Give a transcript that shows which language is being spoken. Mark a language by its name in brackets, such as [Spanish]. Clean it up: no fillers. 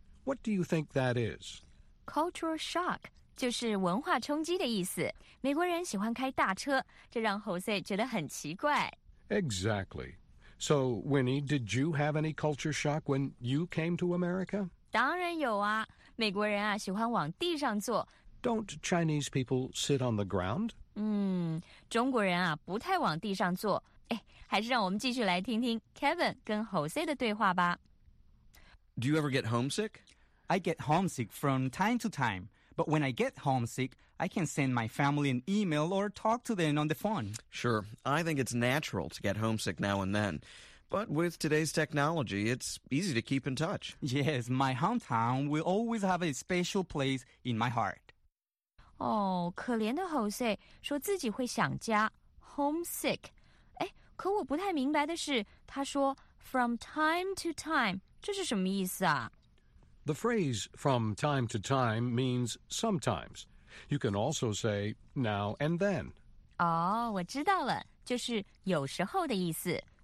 [English] What do you think that is? [Chinese] Cultural shock 就是文化冲击的意思。美国人喜欢开大车，这让 Jose 觉得很奇怪。 [English] Exactly. So, Winnie, did you have any culture shock when you came to America? [Chinese] 当然有啊。美国人啊，喜欢往地上坐。 [English] Don't Chinese people sit on the ground? [Chinese] 中国人啊，不太往地上坐。哎，还是让我们继续来听听 Kevin 跟 Jose 的对话吧。 [English] Do you ever get homesick? I get homesick from time to time. But when I get homesick, I can send my family an email or talk to them on the phone. Sure. I think it's natural to get homesick now and then. But with today's technology, it's easy to keep in touch. Yes, my hometown will always have a special place in my heart. [Chinese] Oh, 可怜的 Jose 说自己会想家 homesick. 哎，可我不太明白的是，他说 [English] from time to time. [Chinese] 这是什么意思啊? [English] The phrase from time to time means sometimes. You can also say now and then. [Chinese] 哦,我知道了,就是有时候的意思。